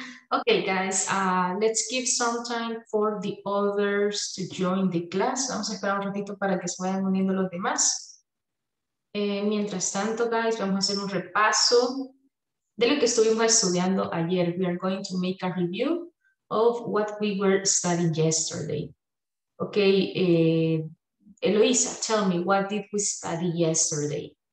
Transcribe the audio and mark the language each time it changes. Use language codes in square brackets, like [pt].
[en] Okay, guys, let's give some time for the others to join the class. [es] Vamos a esperar un ratito para que se vayan uniendo los demás. Mientras tanto, guys, vamos a hacer un repaso de lo que estuvimos estudiando ayer. [en] We are going to make a review of what we were studying yesterday. Okay, Eloisa, tell me, what did we study yesterday?